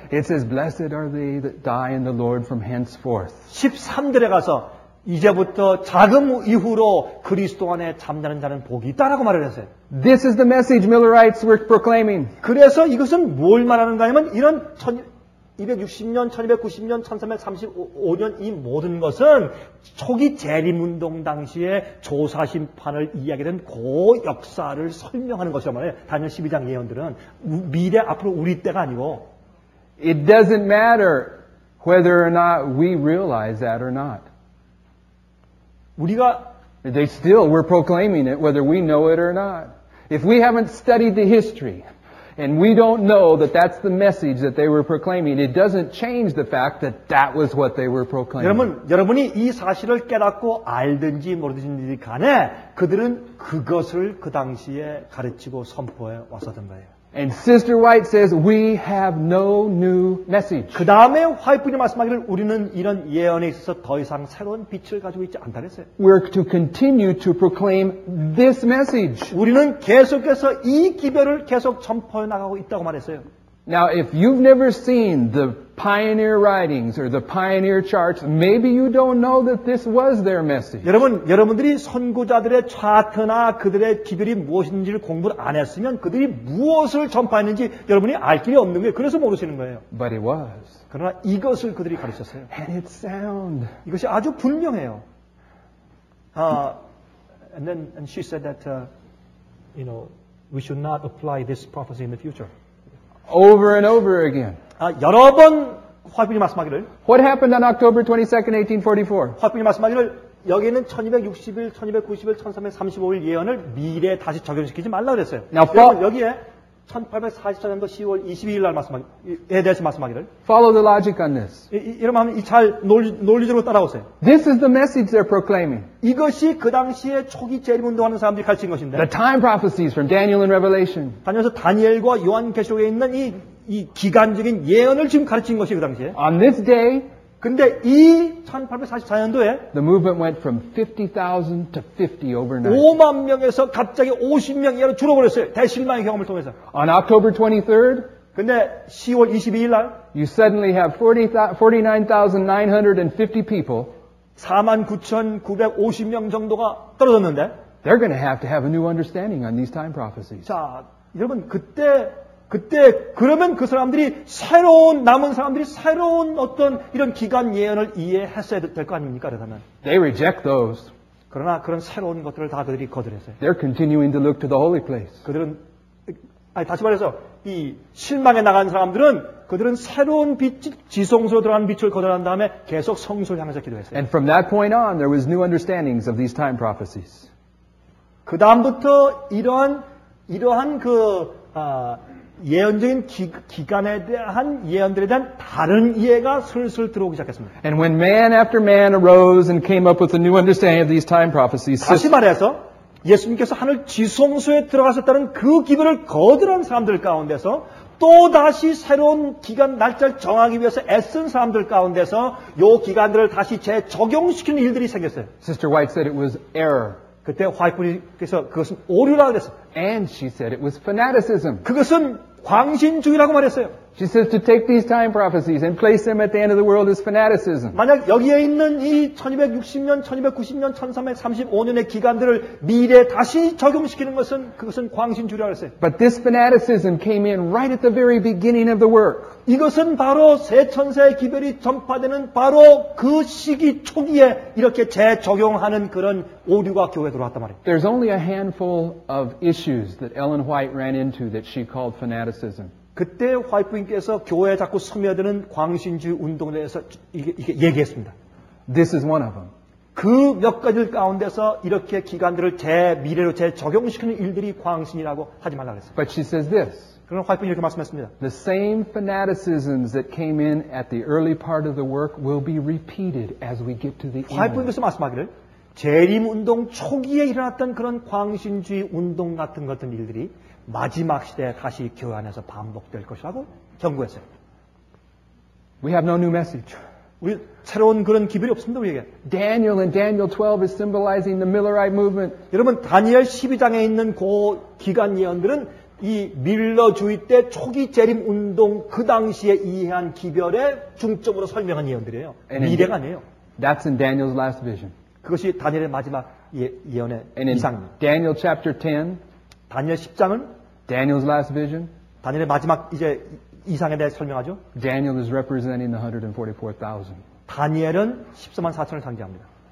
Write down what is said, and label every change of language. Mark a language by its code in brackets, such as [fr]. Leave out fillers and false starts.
[en] It says blessed are they that die in the Lord from henceforth. [ko] 13절에 가서 이제부터 자금 이후로 그리스도 안에 잠자는 자는 복이 있다라고 말을 했어요. [en] This is the message Millerites were proclaiming. [ko] 그래서 이것은 뭘 말하는가 하면 이런 1260년, 1290년, 1335년 이 모든 것은 초기 재림운동 당시에 조사 심판을 이야기하는 그 역사를 설명하는 것이잖아요. 다니엘 12장 예언들은 미래 앞으로 우리 때가 아니고 [en] It doesn't matter whether or not we realize that or not. [ko] 우리가 [en] They still were proclaiming it whether we know it or not. If we haven't studied the history And we don't know that that's the message that they were proclaiming. It doesn't change the fact that that was what they were proclaiming. [ko] 여러분이 이 사실을 깨닫고 알든지 모르든지 간에 그들은 그것을 그 당시에 가르치고 선포해 왔었던 거예요. [en] And Sister White says we have no new message. [ko] 그 다음에 화이프님 말씀하기를 우리는 이런 예언에 있어서 더 이상 새로운 빛을 가지고 있지 않다 했어요. [en] We're to continue to proclaim this message. [ko] 우리는 계속해서 이 기별을 계속 전파해 나가고 있다고 말했어요. [en] Now, if you've never seen the pioneer writings or the pioneer charts, maybe you don't know that this was their message. [ko] 여러분들이 선구자들의 차트나 그들의 기별이 무엇인지를 공부를 안 했으면 그들이 무엇을 전파했는지 여러분이 알 길이 없는 거예요. 그래서 모르시는 거예요. [en] But it was. [ko] 그러나 이것을 그들이 가르쳤어요. [en] And it sound. [ko] 이것이 아주 분명해요. [en] And she said that, you know, we should not apply this prophecy in the future. Over and over again. [ko] 여러 번 화이프님 말씀하기를. [en] What happened on October 22nd, 1844? [ko] 화이프님 말씀하기를 여기 있는 1260일, 1291, 1335일 예언을 미래에 다시 적용시키지 말라 그랬어요. [en] Now, [ko] 여기에 1844년도 10월 22일 날 말씀하기에 대해서 말씀하기를. [en] Follow the logic on this. [ko] 이러면 잘 논리적으로 따라오세요. [en] This is the message they're proclaiming. [ko] 이것이 그 당시에 초기 재림운동하는 사람들이 가르친 것인데. [en] The time prophecies from Daniel and Revelation. [ko] 다니엘서 다니엘과 요한 계시록에 있는 이 기간적인 예언을 지금 가르친 것이 그 당시에. [en] On this day. [ko] 근데 이 1844년도에 [en] The movement went from 50,000 to 50 overnight. [ko] 5만 명에서 갑자기 50명 이하로 줄어버렸어요. 대실망의 경험을 통해서. [en] On October 23rd. [ko] 근데 10월 22일 날 [en] You suddenly have 49,950 people. [ko] 49,950명 정도가 떨어졌는데 [en] They're going to have a new understanding on these time prophecies. [ko] 자, 여러분 그때 그러면 그 사람들이 새로운 남은 사람들이 새로운 어떤 이런 기간 예언을 이해했어야 될 거 아닙니까? 그러면. [en] They reject those. [ko] 그러나 그런 새로운 것들을 다 그들이 거들했어요. [en] They're continuing to look to the holy place. [ko] 그들은 아니 다시 말해서 이 실망에 나간 사람들은 그들은 새로운 빛 지성소로 들어간 빛을 거들한 다음에 계속 성소를 향해서 기도했어요. [en] And from that point on there was new understandings of these time prophecies. [ko] 그다음부터 이러한 그 예언적인 기간에 대한 예언들에 대한 다른 이해가 슬슬 들어오기 시작했습니다. [en] And when man after man arose and came up with a new understanding of these time prophecies. [ko] 다시 말해서 예수님께서 하늘 지성소에 들어가셨다는 그 기별을 거들한 사람들 가운데서 또 다시 새로운 기간 날짜를 정하기 위해서 애쓴 사람들 가운데서 요 기간들을 다시 재적용시키는 일들이 생겼어요. [en] Sister White said it was error. [ko] 그때 화이프님께서 그것은 오류라고 했어요. [en] And she said it was fanaticism. [ko] 그것은 광신주의라고 말했어요. [en] She says to take these time prophecies and place them at the end of the world is fanaticism. [ko] 만약 여기에 있는 이 1260년, 1290년, 1335년의 기간들을 미래에 다시 적용시키는 것은 그것은 광신주의라고 했어요. [en] But this fanaticism came in right at the very beginning of the work. [ko] 이것은 바로 새 천사의 기별이 전파되는 바로 그 시기 초기에 이렇게 재적용하는 그런 오류가 교회에 들어왔단 말이에요. [en] There's only a handful of issues that Ellen White ran into that she called fanaticism. [ko] 그때 화이프님께서 교회에 자꾸 스며드는 광신주의 운동에 대해서 이게 얘기했습니다. [en] This is one of them. [ko] 그 몇 가지 가운데서 이렇게 기간들을 재 미래로 재적용시키는 일들이 광신이라고 하지 말라고 했어요. [en] But she says this. [ko] 그런 화이프는 이렇게 말씀했습니다. [en] The same fanaticisms that came in at the early part of the work will be repeated as we get to the end. [ko] 화이프는 이렇게 말씀하기를 재림 운동 초기에 일어났던 그런 광신주의 운동 같은 것들 일들이 마지막 시대에 다시 교회 안에서 반복될 것이라고 경고했어요. [en] We have no new message. [ko] 우리 새로운 그런 기별이 없습니다 우리에게. [en] Daniel and Daniel 12 is symbolizing the Millerite movement. [ko] 여러분 다니엘 12장에 있는 그 기간 예언들은 이 밀러주의 때 초기 재림 운동 그 당시에 이해한 기별의 중점으로 설명한 예언들이에요. 미래가 아니에요. [en] That's in Daniel's last vision. [ko] 그것이 다니엘의 마지막 예언의 이상입니다. [en] Daniel chapter 10. [ko] 다니엘 10장은 [en] Daniel's last vision. [ko] 다니엘의 마지막 이제 이상에 대해 설명하죠. [en] Daniel is representing the 144,000. [ko] 다니엘은 14만 4천을 상징합니다.